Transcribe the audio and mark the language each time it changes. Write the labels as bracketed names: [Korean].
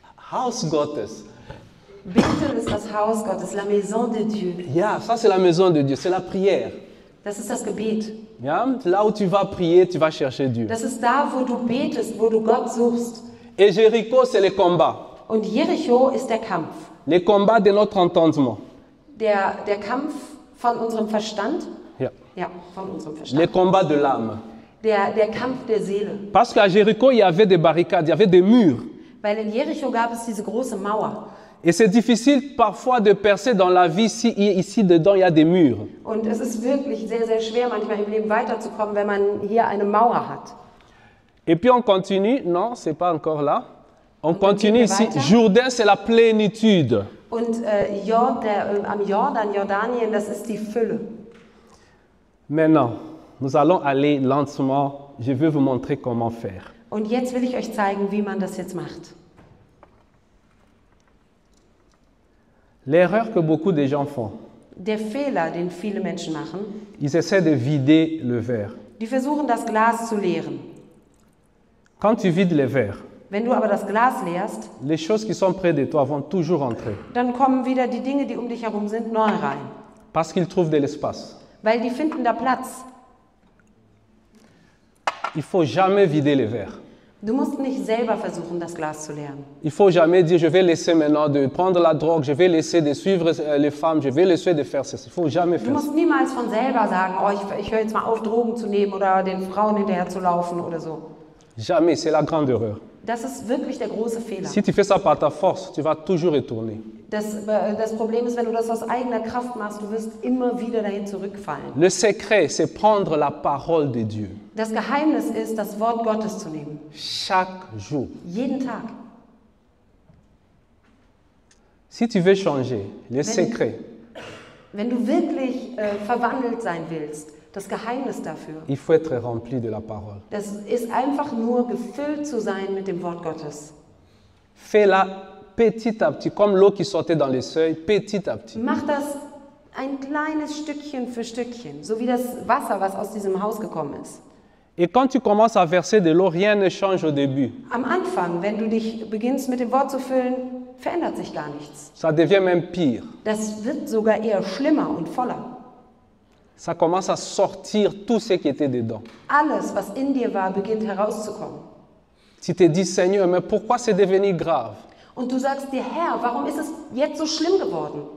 [German] Haus Gottes. Bethel ist das Haus Gottes, [French] la maison de Dieu. Ja, ça c'est la maison de Dieu, c'est la prière. [German] Das ist das Gebet. [French] Ja, là où tu vas prier, tu vas chercher Dieu. [German] Das ist da, wo du betest, wo du Gott suchst. [French] Et Jericho, c'est le combat. [German] Und Jericho ist der Kampf. [French] Le combat de notre entendement. [German] Der Kampf von unserem Verstand. Ja. Ja, von unserem Verstand. [French] Le combat de l'âme. [German] Der Kampf der Seele. [French] Parce qu'à Jericho, il y avait des barricades, il y avait des murs. [German] Weil in Jericho gab es diese große Mauer. [French] Et c'est difficile parfois de percer dans la vie si ici dedans il y a des murs. [German] Und es ist wirklich sehr sehr schwer manchmal im Leben weiterzukommen, wenn man hier eine Mauer hat. [French] Et puis on continue, non, c'est pas encore là. On continue ici. Jourdain, c'est la plénitude. [German] Und am Jordan, Jordanien, das ist die Fülle. [French] Maintenant, nous allons aller lentement. Je veux vous montrer comment faire. [German] Und jetzt will ich euch zeigen, wie man das jetzt macht. [French] L'erreur que beaucoup de gens font. [German] Der Fehler, den viele Menschen machen. [French] Ils essaient de vider le verre. [German] Die versuchen, das Glas zu leeren. [French] Quand tu vides le verre. [German] Wenn du aber das Glas leerst, [French] les choses qui sont près de toi vont toujours entrer. [German] Dann kommen wieder die Dinge, die um dich herum sind, neu rein. [French] Parce qu'ils trouvent de l'espace. [German] Weil die finden da Platz. [French] Il faut jamais vider les verres. [German] Du musst nicht selber versuchen, das Glas zu leeren. [French] Il faut jamais dire, je vais laisser maintenant de prendre la drogue, je vais laisser de suivre les femmes, je vais laisser de faire ça. Il faut jamais faire ça. [German] Du musst niemals von selber sagen, oh, ich höre jetzt mal auf, Drogen zu nehmen oder den Frauen hinterher zu laufen oder so. [French] Jamais, c'est la grande erreur. [German] Das ist wirklich der große Fehler. [French] Si tu fais ça par ta force, tu vas toujours retourner. [German] Das Problem ist, wenn du das aus eigener Kraft machst, du wirst immer wieder dahin zurückfallen. [French] Le secret, c'est prendre la parole de Dieu. [German] Das Geheimnis ist, das Wort Gottes zu nehmen. [French] Chaque jour. [German] Jeden Tag. [French] Si tu veux changer, le secret. [German] Wenn du wirklich verwandelt sein willst, das Geheimnis dafür. [French] Il faut être rempli de la parole. [German] Das ist einfach nur gefüllt zu sein mit dem Wort Gottes. [French] Fais-la petit à petit, comme l'eau qui sortait dans les seuils, petit à petit. [German] Mach das ein kleines Stückchen für Stückchen, so wie das Wasser, was aus diesem Haus gekommen ist. [French] Et quand tu commences à verser de l'eau, rien ne change au début. [German] Am Anfang, wenn du dich beginnst mit dem Wort zu füllen, verändert sich gar nichts. [French] Ça devient même pire. [German] Das wird sogar eher schlimmer und voller. [French] Ça commence à sortir tout ce qui était dedans. [German] Alles, was in dir war, beginnt herauszukommen. [French] Tu te dis, Seigneur, mais pourquoi c'est devenu grave? [German] Und du sagst dir, Herr, warum ist es jetzt so schlimm geworden?